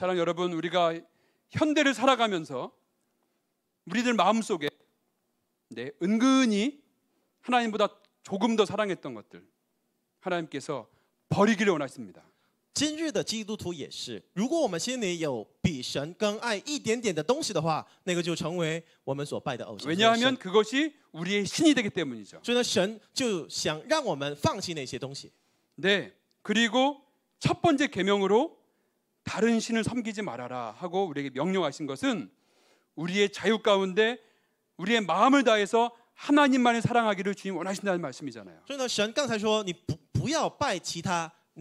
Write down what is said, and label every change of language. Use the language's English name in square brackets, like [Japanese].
[Korean] 사랑하는 여러분, 우리가 현대를 살아가면서 우리들 마음 속에 네, 은근히 하나님보다 조금 더 사랑했던 것들 하나님께서 버리기를 원하십니다. [Chinese] 今日的基督徒也是，如果我们心里有比神更爱一点点的东西的话，那个就成为我们所拜的偶像。 [Korean] 왜냐하면 그것이 우리의 신이 되기 때문이죠. [Chinese] 所以呢，神就想让我们放弃那些东西。 [Korean] 네, 그리고 첫 번째 계명으로 다른 신을 섬기지 말아라 하고 우리에게 명령하신 것은 우리의 자유 가운데 우리의 마음을 다해서 하나님만을 사랑하기를 주님 원하신다는 말씀이잖아요. [Chinese] 所以呢，神刚才说你不要拜其他。